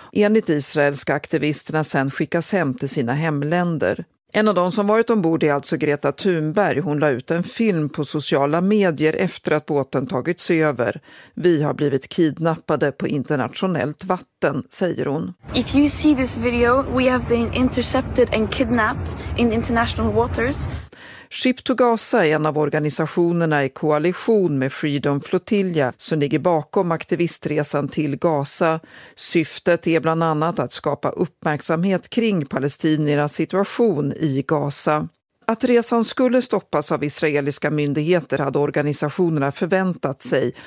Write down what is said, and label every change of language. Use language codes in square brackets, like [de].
[sv] Enligt israeliska aktivisterna sen skickas hem till sina hemländer. En av de som varit ombord är alltså Greta Thunberg. Hon la ut en film på sociala medier efter att båten tagits över. Vi har blivit kidnappade på internationellt vatten, säger hon. [en] If you see this video, we have been intercepted and kidnapped in international waters. [sv] Ship to Gaza är en av organisationerna i koalition med Freedom Flotilla som ligger bakom aktivistresan till Gaza. Syftet är bland annat att skapa uppmärksamhet kring palestiniernas situation i Gaza. Att resan skulle stoppas av israeliska myndigheter hade organisationerna förväntat sig.